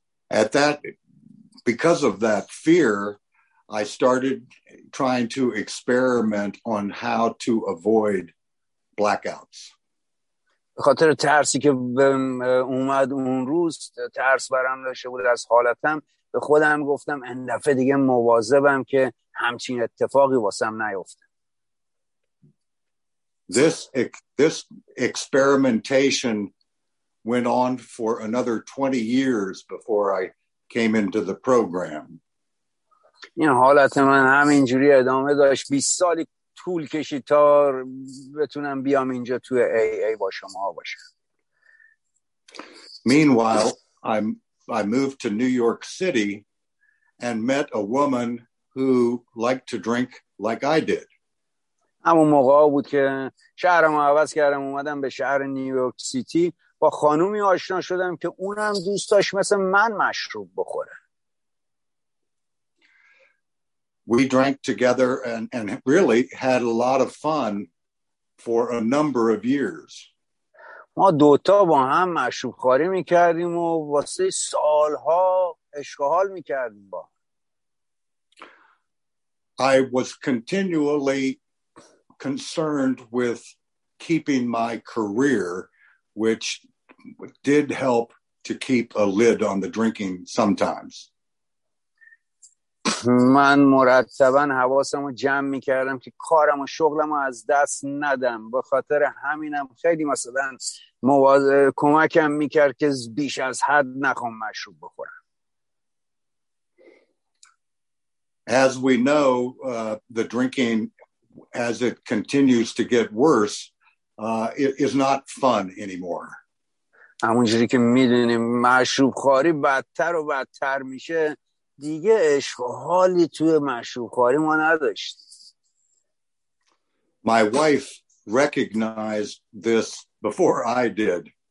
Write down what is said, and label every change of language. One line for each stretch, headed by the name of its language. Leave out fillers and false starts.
English: At that, because of that fear, I started trying to experiment on how to avoid blackouts.
Persian: خاطر ترسی که اومد اون روز ترس برام داشته بود از حالتم به خودم گفتم این دفعه دیگه مواظبم که همچین اتفاقی واسم نیفته.
English: This experimentation went on for another 20 years before I came into the program.
Persian: این حالت من همینجوری ادامه داشت 20 سالی طول کشید تا بتونم بیام اینجا توی AA با شما باشم.
English: Meanwhile, I moved to New York City and met a woman who liked to drink like I did.
Persian: همون موقع بود که شهرم عوض کردم، اومدم به شهر نیویورک سیتی، با خانومی آشنا شدم که اونم دوست داشت مثل من مشروب بخوره.
English: We drank together and really had a lot of fun for a number of years.
Persian: ما دو تا با هم مشروب خوری می‌کردیم و واسه سال‌ها عشق و حال می‌کردیم با.
English: I was continually concerned with keeping my career, which did help to keep a lid on the drinking sometimes.
Persian: من مرتبا حواسمو جمع می‌کردم که کارم و شغلمو از دست ندم، به خاطر همینم خیلی مثلا کمکم می‌کرد که بیش از حد نخوام مشروب بخورم.
English: As we know, the drinking as it continues to get worse is not fun anymore.
Persian: همونجوری که می‌دونیم مشروب خوری بدتر و بدتر میشه، دیگه عشق و حالی توی مشروب خوری ما نداشت.
English: My wife recognized this before I did.